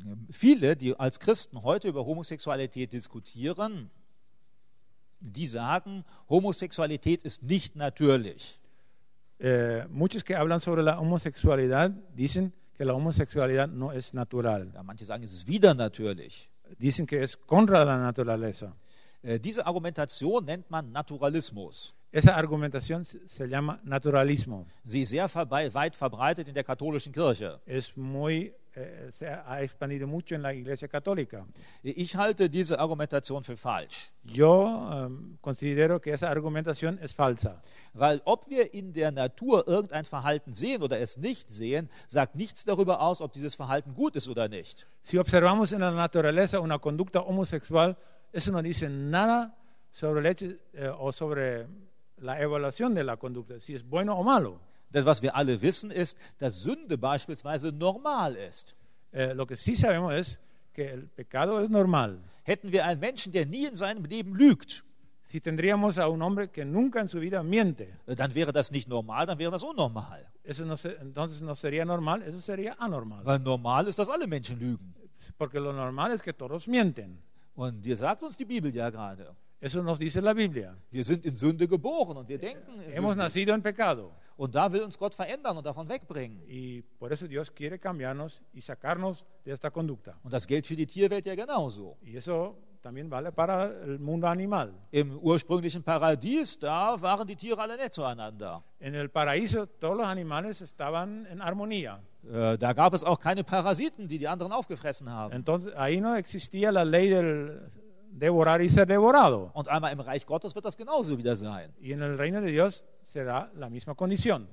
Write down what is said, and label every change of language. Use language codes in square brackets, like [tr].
[de] Viele, die als Christen heute über Homosexualität diskutieren, die sagen, Homosexualität ist nicht natürlich. [es] Muchos que hablan sobre la homosexualidad dicen que la homosexualidad no es natural. [de] Ja, manche sagen, es ist wieder natürlich. [es] Dicen que es contra la naturaleza. [de] Diese Argumentation nennt man Naturalismus. [es] Esa argumentación se llama naturalismo. [de] Sie ist sehr weit verbreitet in der katholischen Kirche. [es] Es muy se ha expandido mucho en la Iglesia Católica. [de] Ich halte diese Argumentation für falsch. [es] Yo considero que esa argumentación es falsa. [de] Weil ob wir in der Natur irgendein Verhalten sehen oder es nicht sehen, sagt nichts darüber aus, ob dieses Verhalten gut ist oder nicht. [es] Si observamos en la naturaleza una conducta homosexual, eso no dice nada sobre el hecho, o sobre la evaluación de la conducta, si es bueno o malo. [de] Das, was wir alle wissen, ist, dass Sünde beispielsweise normal ist. [es] Lo que sí sabemos es que el pecado es normal. [de] Hätten wir einen Menschen, der nie in seinem Leben lügt, [es] si tendríamos a un hombre que nunca en su vida miente, [de] dann wäre das nicht normal, dann wäre das unnormal. [es] Eso no, entonces no sería normal, eso sería anormal. [de] Weil normal ist, dass alle Menschen lügen. [es] Porque lo normal es que todos mienten. [de] Und dir sagt uns die Bibel ja gerade. [es] Eso nos dice la Biblia. [de] Wir sind in Sünde geboren und wir denken, [es] hemos nacido en pecado. [de] Und da will uns Gott verändern und davon wegbringen. [es] Y por eso Dios quiere cambiarnos y sacarnos de esta conducta. [de] Und das gilt für die Tierwelt ja genauso. [es] Y eso también vale para el mundo animal. [de] Im ursprünglichen Paradies, da waren die Tiere alle nett zueinander. [es] En el paraíso, todos los animales estaban en armonía. [de] Da gab es auch keine Parasiten, die die anderen aufgefressen haben. [es] Entonces, ahí no existía la ley del devorar y ser devorado. [de] Und einmal im Reich Gottes wird das genauso wieder sein. [es] Y en el reino de Dios será la misma condición.